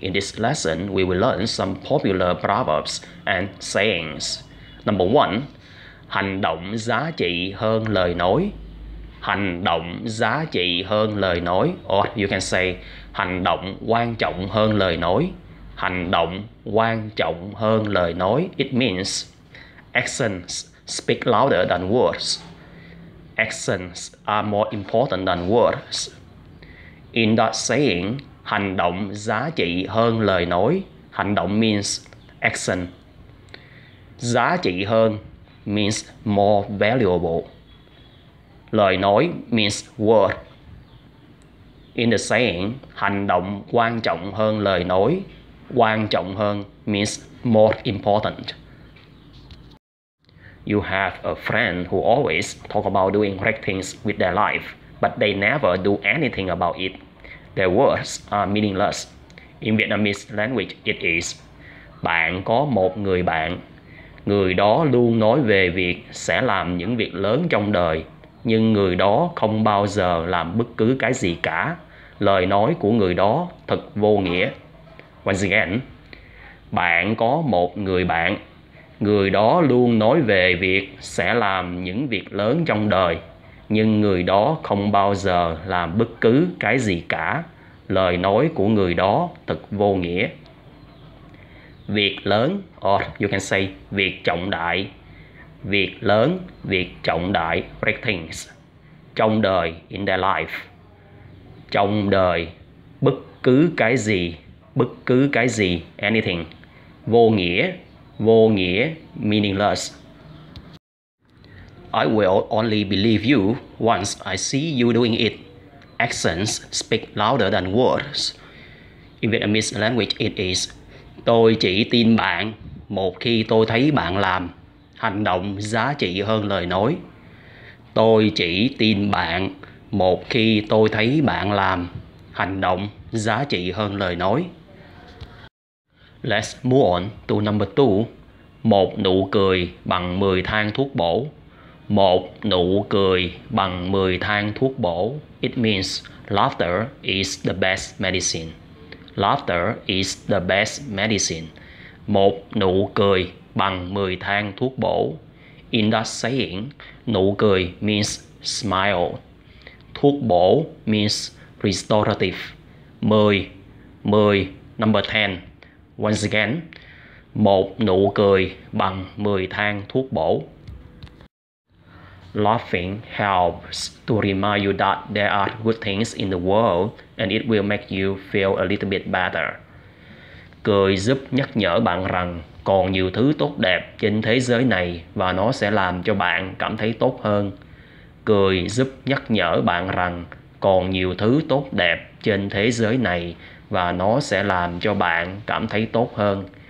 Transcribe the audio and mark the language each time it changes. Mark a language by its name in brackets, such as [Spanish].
[English] In this lesson, we will learn some popular proverbs and sayings. Number one, [Vietnamese] hành động giá trị hơn lời nói. Hành động giá trị hơn lời nói. [English] Or you can say, [Vietnamese] hành động quan trọng hơn lời nói. Hành động quan trọng hơn lời nói. [English] It means, actions speak louder than words. Actions are more important than words. In that saying, [Vietnamese] hành động giá trị hơn lời nói. Hành động [English] means action. [Vietnamese] Giá trị hơn [English] means more valuable. Lời nói means word. In the saying, [Vietnamese] hành động quan trọng hơn lời nói. Quan trọng hơn [English] means more important. You have a friend who always talk about doing great things with their life, but they never do anything about it. Their words are meaningless. In Vietnamese language, it is [Vietnamese] bạn có một người bạn. Người đó luôn nói về việc sẽ làm những việc lớn trong đời, nhưng người đó không bao giờ làm bất cứ cái gì cả. Lời nói của người đó thật vô nghĩa. [English] Once again, [Vietnamese] bạn có một người bạn. Người đó luôn nói về việc sẽ làm những việc lớn trong đời, nhưng người đó không bao giờ làm bất cứ cái gì cả. Lời nói của người đó thật vô nghĩa. Việc lớn, [English] or you can say, [Vietnamese] việc trọng đại. Việc lớn, việc trọng đại, [English] great things. [Vietnamese] Trong đời, [English] in their life. [Vietnamese] Trong đời, bất cứ cái gì, [English] anything. [Vietnamese] Vô nghĩa, [English] meaningless. I will only believe you once I see you doing it. Actions speak louder than words. In Vietnamese language, it is [Vietnamese] tôi chỉ tin bạn một khi tôi thấy bạn làm. Hành động giá trị hơn lời nói. Tôi chỉ tin bạn một khi tôi thấy bạn làm. Hành động giá trị hơn lời nói. [English] Let's move on to number two. [Vietnamese] Một nụ cười bằng 10 thang thuốc bổ. Một nụ cười bằng 10 thang thuốc bổ. [English] It means laughter is the best medicine. Laughter is the best medicine. [Vietnamese] Một nụ cười bằng 10 thang thuốc bổ. [English] In that saying, [Vietnamese] nụ cười [English] means smile. [Vietnamese] Thuốc bổ [English] means restorative. 10, number 10. Once again, [Vietnamese] một nụ cười bằng 10 thang thuốc bổ. [English] Laughing helps to remind you that there are good things in the world and it will make you feel a little bit better. [Vietnamese] Cười giúp nhắc nhở bạn rằng còn nhiều thứ tốt đẹp trên thế giới này và nó sẽ làm cho bạn cảm thấy tốt hơn. Cười giúp nhắc nhở bạn rằng còn nhiều thứ tốt đẹp trên thế giới này và nó sẽ làm cho bạn cảm thấy tốt hơn.